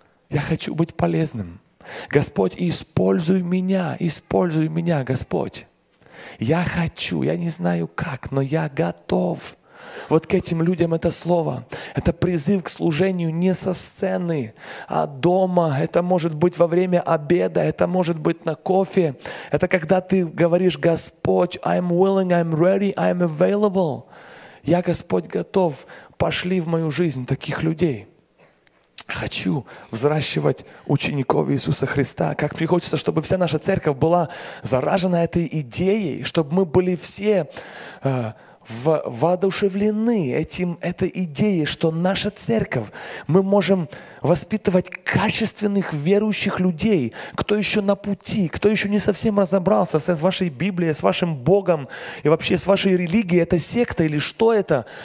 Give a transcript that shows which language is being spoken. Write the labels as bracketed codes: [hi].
[ru] Я хочу быть полезным. Господь, используй меня, Господь. Я хочу, я не знаю как, но я готов». Вот к этим людям это слово, это призыв к служению не со сцены, а дома. Это может быть во время обеда, это может быть на кофе. Это когда ты говоришь: «Господь, [en] I'm willing, I'm ready, I'm available. [ru] Я, Господь, готов. Пошли в мою жизнь таких людей. Хочу взращивать учеников Иисуса Христа». Как мне хочется, чтобы вся наша церковь была заражена этой идеей, чтобы мы были все воодушевлены этой идеей, что наша церковь, мы можем воспитывать качественных верующих людей, кто еще на пути, кто еще не совсем разобрался с вашей Библией, с вашим Богом и вообще с вашей религией, это секта или что это.